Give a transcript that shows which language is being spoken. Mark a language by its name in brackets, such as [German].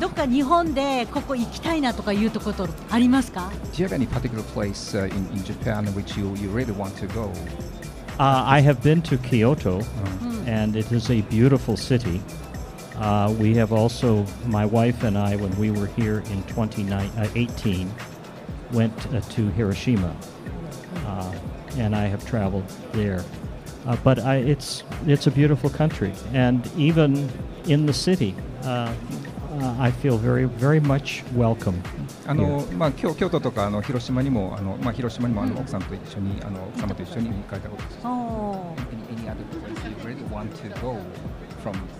[Japanese] どっか日本でここ行きたいなとかいうところありますか？ [English] Do you have any particular place in Japan which you really want to go? I have been to Kyoto,、mm. and it is a beautiful city. We have also, my wife and I, when we were here in 2018, went to Hiroshima, and I have traveled there. But it's a beautiful country, and even in the city, I feel very, very much welcome. [Japanese] まあ、京都とか広島にも、まあ、広島にも奥さんと一緒に、奥様と一緒に帰ったことです。 [English] Any other place you really want to go from?